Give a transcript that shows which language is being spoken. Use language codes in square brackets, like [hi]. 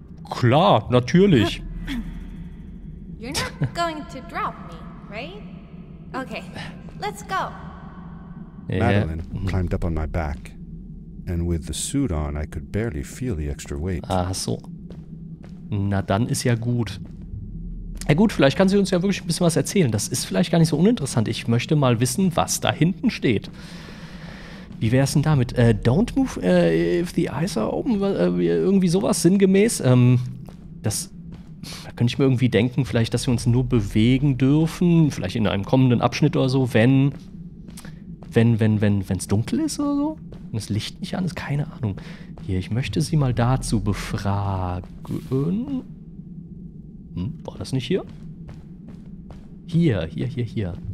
[de] Klar, natürlich. [en] You're not going to drop me, right? Okay, let's go. Madeline climbed up on my back. And with the suit on, I could barely feel the extra weight. [de] Ach so. Na, dann ist ja gut. Ja gut, vielleicht kann sie uns ja wirklich ein bisschen was erzählen. Das ist vielleicht gar nicht so uninteressant. Ich möchte mal wissen, was da hinten steht. Wie wäre es denn damit? [en] Don't move if the eyes are open. [de] Irgendwie sowas sinngemäß. Da könnte ich mir irgendwie denken, vielleicht, dass wir uns nur bewegen dürfen. Vielleicht in einem kommenden Abschnitt oder so, wenn. Wenn es dunkel ist oder so? Und das Licht nicht an ist? Keine Ahnung. Hier, ich möchte sie mal dazu befragen. Hm, war das nicht hier? Hier. Ja.